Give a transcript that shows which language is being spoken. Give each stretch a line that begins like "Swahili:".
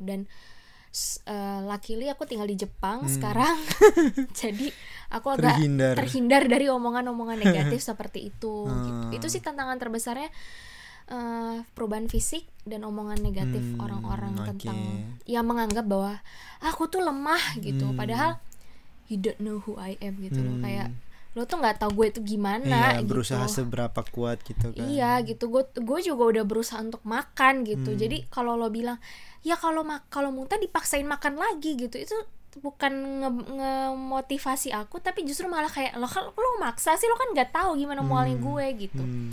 Indonesian: Dan luckily aku tinggal di Jepang sekarang. Jadi aku agak terhindar dari omongan-omongan negatif seperti itu gitu. Itu sih tantangan terbesarnya, perubahan fisik dan omongan negatif orang-orang tentang yang menganggap bahwa aku tuh lemah gitu. Padahal
English: you don't know who I am gitu loh.
Indonesian: Kayak lo tuh gak tau gue tuh gimana. Iya, berusaha gitu, seberapa kuat gitu kan. Iya gitu, gue juga udah berusaha untuk makan gitu. Jadi kalau lo bilang ya kalau muntah dipaksain makan lagi gitu, itu bukan nge-motivasi aku, tapi justru malah kayak lo maksa sih, lo kan gak tahu gimana mualnya gue gitu.